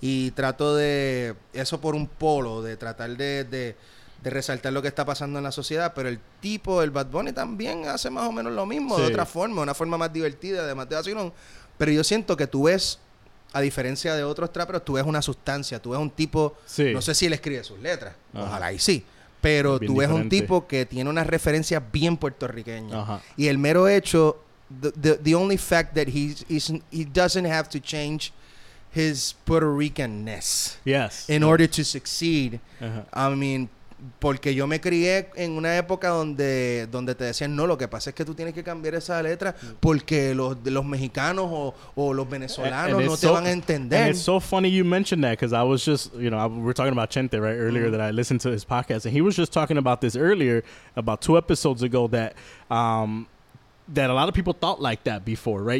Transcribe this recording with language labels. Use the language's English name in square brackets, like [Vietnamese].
[Spanish] y trato de eso por un polo, de tratar de resaltar lo que está pasando en la sociedad, pero el tipo, el Bad Bunny, también hace más o menos lo mismo, sí. de otra forma, una forma más divertida, de más de vacilón. Pero yo siento que tú ves, a diferencia de otros traperos, tú ves una sustancia, tú ves un tipo, sí. no sé si él escribe sus letras, ajá. ojalá y sí, pero bien tú ves diferente. Un tipo que tiene unas referencias bien puertorriqueñas. Ajá. Y el mero hecho, [English] the only fact that he doesn't have to change his Puerto Rican-ness yes. in yes. order to succeed, ajá. I mean... [Spanish] Porque yo me crié en una época donde te decían, no, lo que pasa es que tú tienes que cambiar esa letra porque los mexicanos o los venezolanos [English] and [Spanish] no te van a entender. [English] And it's so funny you mentioned that because I was just, you know, we're talking about Chente, right, earlier mm-hmm. that I listened to his podcast. And he was just talking about this earlier, about two episodes ago, that... that a lot of people thought like that before, right?